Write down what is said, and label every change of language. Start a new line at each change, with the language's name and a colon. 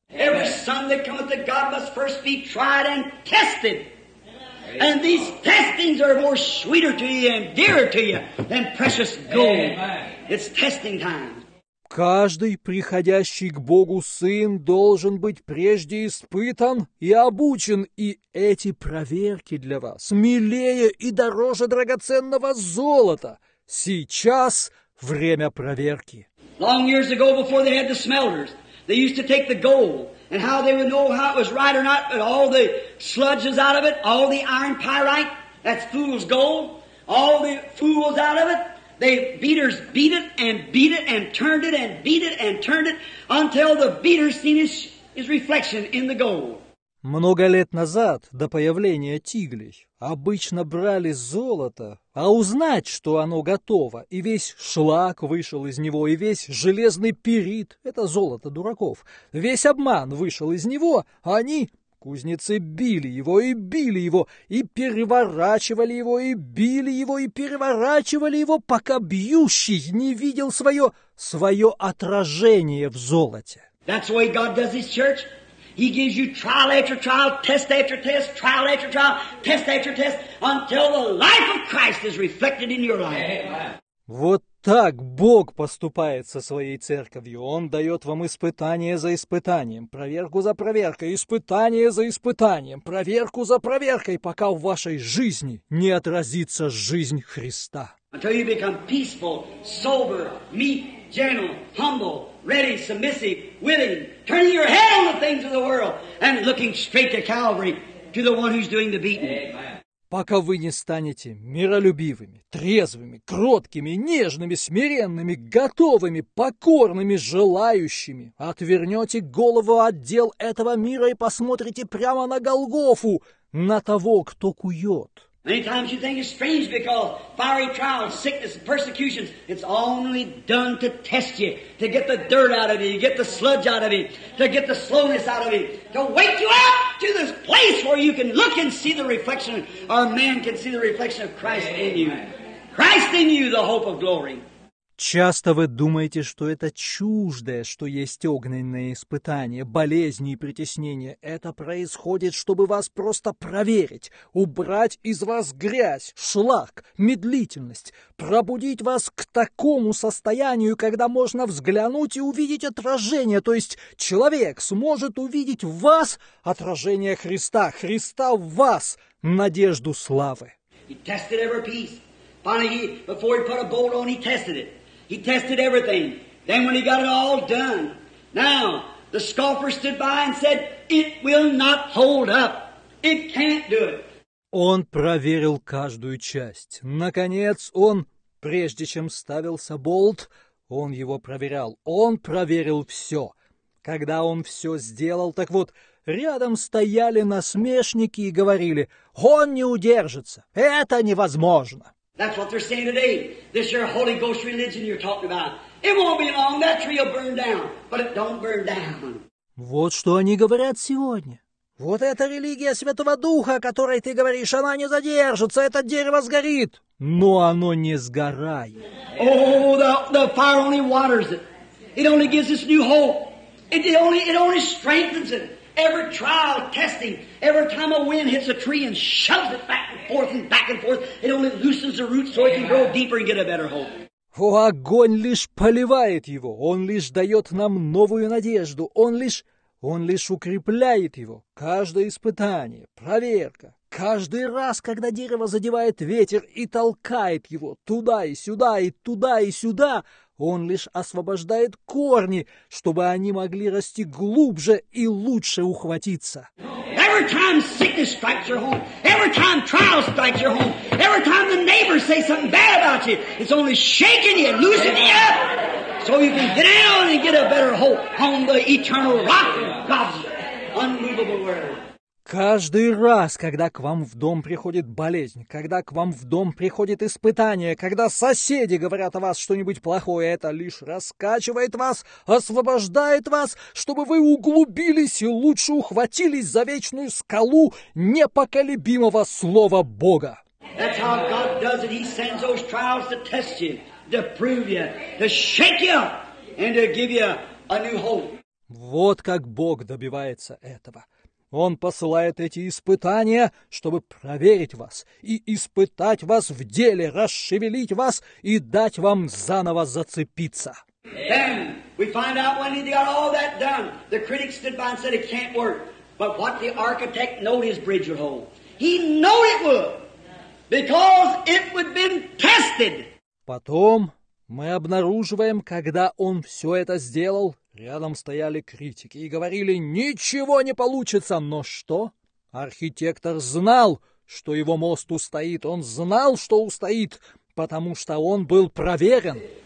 English: Every son that cometh to God must first be tried and tested. And these testings are more sweeter to you and dearer to you than precious gold. It's testing time.
Russian: Каждый приходящий к Богу сын должен быть прежде испытан и обучен, и эти проверки для вас милее и дороже драгоценного золота. Сейчас время проверки.
English: Long years ago, before they had the smelters, they used to take the gold, and how they would know how it was right or not, but all the sludge is out of it, all the iron pyrite, that's fool's gold, all the fools out of it. They beaters beat it and beat it and turned it and beat it and turned it until the beater seen his reflection in the gold.
Russian: Много лет назад, до появления тиглей, обычно брали золото, а узнать, что оно готово, и весь шлак вышел из него, и весь железный пирит, это золото дураков, весь обман вышел из него, они... Кузнецы били его, и били его, и переворачивали его, и били его, и переворачивали его, пока бьющий не видел свое отражение в золоте.
English: That's the way God does his church. He gives you trial after trial, test after test, trial after trial, test after test, until the life of Christ is reflected in your life.
Russian: Вот так Бог поступает со своей церковью. Он дает вам испытание за испытанием, проверку за проверкой, испытание за испытанием, проверку за проверкой, пока в вашей жизни не отразится жизнь Христа.
English: Until you become peaceful, sober, meek, gentle, humble, ready, submissive, willing, turning your head on the things of the world and looking straight to Calvary, to the one who's doing the beating. Amen.
Russian: Пока вы не станете миролюбивыми, трезвыми, кроткими, нежными, смиренными, готовыми, покорными, желающими, отвернете голову от дел этого мира и посмотрите прямо на Голгофу, на того, кто кует.
English: Many times you think it's strange because fiery trials, sickness, persecutions, it's only done to test you, to get the dirt out of you, to get the sludge out of you, to get the slowness out of you, to wake you up to this place where you can look and see the reflection, or a man can see the reflection of Christ in you. Christ in you, the hope of glory.
Russian: Часто вы думаете, что это чуждое, что есть огненные испытания, болезни и притеснения. Это происходит, чтобы вас просто проверить, убрать из вас грязь, шлак, медлительность, пробудить вас к такому состоянию, когда можно взглянуть и увидеть отражение. То есть человек сможет увидеть в вас отражение Христа, Христа в вас, надежду славы.
English: He tested every piece. Finally, before he put a bolt on, he tested it. He tested everything. Then when he got it all done, now the scoffer stood by and said, it will not hold up. It can't do it.
Russian: Он проверил каждую часть. Наконец он, прежде чем ставился болт, Он его проверял. Он проверил все. Когда он все сделал, так вот, рядом стояли насмешники и говорили: «Он не удержится! Это невозможно!»
English: That's what they're saying today. This your Holy Ghost religion you're talking about. It won't be long. That tree will burn down. But it don't burn down.
Russian: Вот что они говорят сегодня. Вот эта религия Святого Духа, о которой ты говоришь, она не задержится. Это дерево сгорит. Но оно не сгорает.
English: Oh, the fire only waters it. It only gives us new hope. It only strengthens it. Every trial, testing, every time a wind hits a tree and shoves it back and forth and back and forth, it only loosens the roots so it can grow deeper and get a better hope.
Russian: О, огонь лишь поливает его, он лишь дает нам новую надежду, он лишь укрепляет его. Каждое испытание, проверка, каждый раз, когда дерево задевает ветер и толкает его туда и сюда, и туда и сюда, он лишь освобождает корни, чтобы они могли расти глубже и лучше ухватиться.
English: Every time sickness strikes your home, every time trial strikes your home, every time the neighbors say something bad about you, it's only shaking you, loosening you up, so you can get down and get a better hope on the eternal rock, God's unmovable word.
Russian: Каждый раз, когда к вам в дом приходит болезнь, когда к вам в дом приходит испытание, когда соседи говорят о вас что-нибудь плохое, это лишь раскачивает вас, освобождает вас, чтобы вы углубились и лучше ухватились за вечную скалу непоколебимого слова Бога.
English: That's how God does it. He sends those trials to test you, to prove you, to shake you, and to give you a new hope.
Russian: Вот как Бог добивается этого. Он посылает эти испытания, чтобы проверить вас и испытать вас в деле, расшевелить вас и дать вам заново зацепиться.
English: Then we find out when he got all that done, the critics stood by and said it can't work. But what the architect knew his bridge would hold. He knew it would, because it would been tested.
Russian: Потом мы обнаруживаем, когда он все это сделал, рядом стояли критики и говорили: «Ничего не получится!» Но что? Архитектор знал, что его мост устоит. Он знал, что устоит, потому что он был проверен.